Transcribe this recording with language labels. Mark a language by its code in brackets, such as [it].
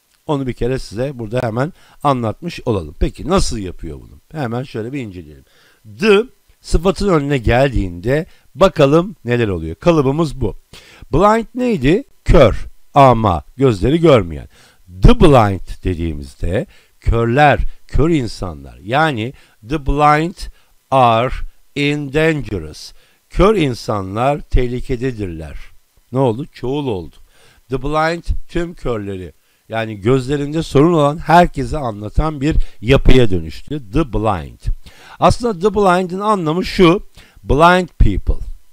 [tr] Onu bir kere size burada hemen anlatmış olalım. Peki nasıl yapıyor bunu? Hemen şöyle bir inceleyelim. The sıfatın önüne geldiğinde bakalım neler oluyor. Kalıbımız bu. Blind neydi? Kör ama gözleri görmeyen. The blind dediğimizde körler, kör insanlar. [en] Yani the blind are in dangerous. [tr] Kör insanlar tehlikededirler. Ne oldu? Çoğul oldu. The blind tüm körleri, yani gözlerinde sorun olan herkese anlatan bir yapıya dönüştü. The blind. Aslında the blind'in anlamı şu: [en] blind people.